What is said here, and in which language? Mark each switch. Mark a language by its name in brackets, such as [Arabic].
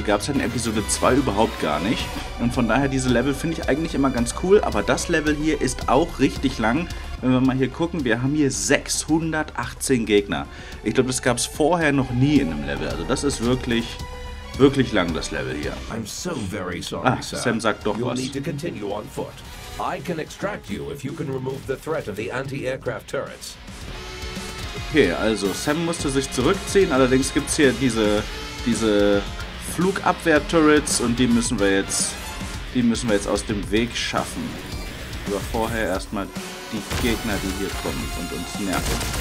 [German] Die gab es halt in Episode 2 überhaupt gar nicht. Und von daher, diese Level finde ich eigentlich immer ganz cool, aber das Level hier ist auch richtig lang. Wenn wir mal hier gucken, wir haben hier 618 Gegner. Ich glaube, das gab es vorher noch nie in einem Level. Also das ist wirklich... wirklich lang, das Level hier. [English] I'm so very sorry, ah, sir. [German] Sam sagt doch [English] you'll [German] was. [English] Need to continue on foot. I can extract you if you can remove the threat of the anti-aircraft turrets. [German] Okay, also Sam musste sich zurückziehen, allerdings gibt's hier diese Flugabwehr-Turrets und die müssen wir jetzt aus dem Weg schaffen. Aber vorher erstmal die Gegner, die hier kommen und uns nerven.